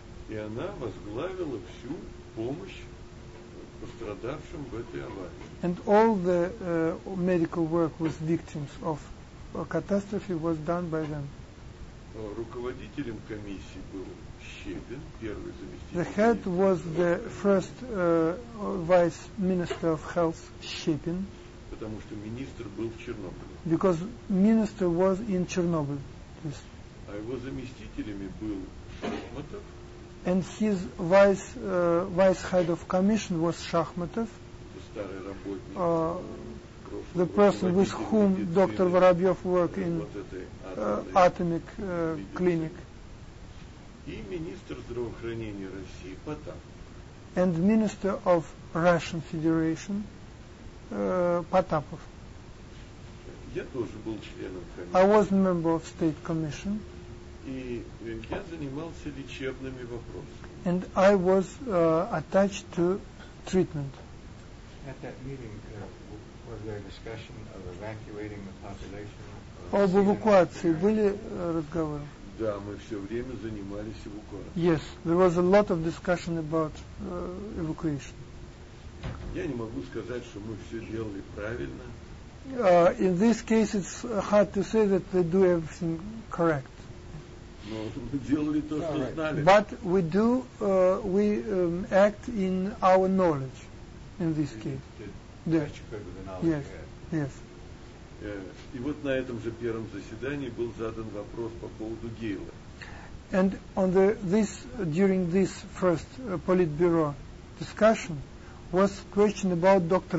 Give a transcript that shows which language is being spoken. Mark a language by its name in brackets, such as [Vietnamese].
[Russian] И она возглавила всю помощь пострадавшим в этой аварии. [English] And all the medical work with victims of a catastrophe was done by them. [Russian] Руководителем комиссии был Щепин, первый заместитель. [English] The head was the first vice minister of health, Щепин. [Russian] Потому что министр был в Чернобыле. [English] Because minister was in Chernobyl. Yes. [Russian] А его заместителями был Шахматов. [English] And his vice head of commission was Шахматов. [Russian] Старый работник. [English] The person with whom Dr. Воробьев worked in atomic clinic. [Russian] И министр здравоохранения России Потап. [English] And Minister of Russian Federation Потапов. [Russian] Я тоже был членом комиссии. [English] I was member of State Commission. [Russian] и я занимался лечебными вопросами. [English] And I was attached to treatment. At that meeting, was there a discussion of evacuating the population? [Russian] Об эвакуации были разговоры? Да, мы все время занимались эвакуацией. [English] Yes, there was a lot of discussion about evacuation. [Russian] Я не могу сказать, что мы все делали правильно. [English] In this case, it's hard to say that they do everything correct. [Russian] Но мы делали то, что знали. [English] But we do, we act in our knowledge, in this case. Yes, yes. [Russian] И вот на этом же первом заседании был задан вопрос по поводу Гейла. [English] And on the this during this first Politburo discussion was question about Dr.